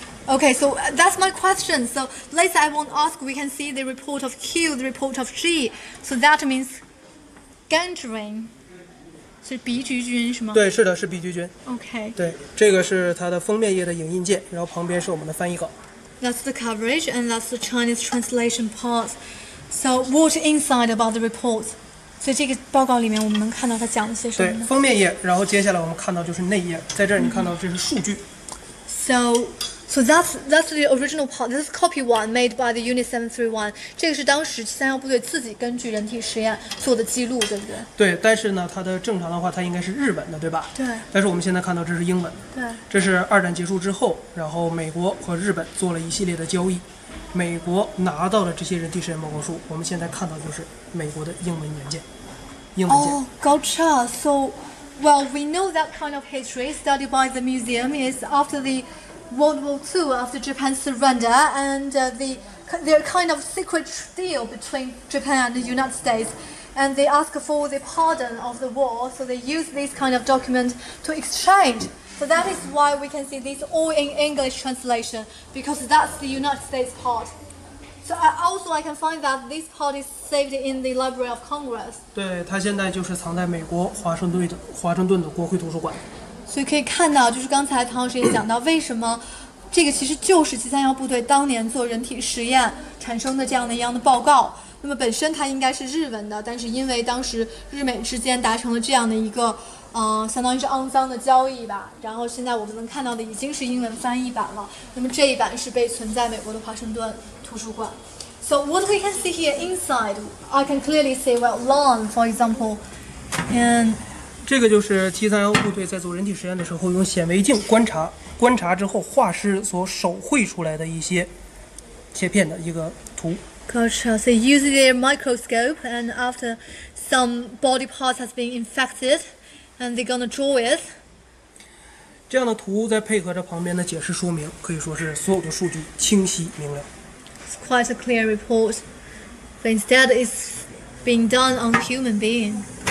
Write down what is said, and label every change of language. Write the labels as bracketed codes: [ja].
[en] Okay, so that's my question. So later I won't ask, we can see the report of Q, the report of G. So that means Gandrin. [zh] 是鼻菊菌是吗？对，是的，是鼻菊菌。 [en] OK。 [zh] 对，这个是它的封面页的影印件，然后旁边是我们的翻译稿。 [en] That's the coverage and that's the Chinese translation part. So what inside about the report? [zh] 所以这个报告里面我们能看到它讲了些什么？对，封面页，然后接下来我们看到就是内页，在这儿你看到这是数据。 [en] So that's the original part. This is copy one made by the Unit 731. [zh] 这个是当时731部队自己根据人体实验做的记录，对不对？对，但是呢，它的正常的话，它应该是日本的，对吧？对。但是我们现在看到这是英文。对。这是二战结束之后，然后美国和日本做了一系列的交易，美国拿到了这些人体实验报告书。我们现在看到就是美国的英文原件，英文 [en] 件。Oh, gotcha. So, well, we know that kind of history studied by the museum is after the World War II, after Japan's surrender, and the kind of secret deal between Japan and the United States, and they ask for the pardon of the war, so they use this kind of document to exchange. So that is why we can see this all in English translation, because that's the United States part. So also I can find that this part is saved in the Library of Congress. [zh] 对，它现在就是藏在美国华盛顿的国会图书馆。所以可以看到，就是刚才唐老师也讲到，为什么这个其实就是731部队当年做人体实验产生的这样的一样的报告。那么本身它应该是日文的，但是因为当时日美之间达成了这样的一个，相当于是肮脏的交易吧。然后现在我们能看到的已经是英文翻译版了。那么这一版是被存在美国的华盛顿图书馆。 [en] So what we can see here inside, I can clearly see well, lawn, for example, and. [zh] 这个就是731部队在做人体实验的时候用显微镜观察之后画师所手绘出来的一些切片的一个图。 [en] Gotcha. So using their microscope and after some body parts has been infected and they're gonna draw it. [zh] 这样的图再配合着旁边的解释说明，可以说是所有的数据清晰明了。 [en] It's quite a clear report, but instead it's being done on human being.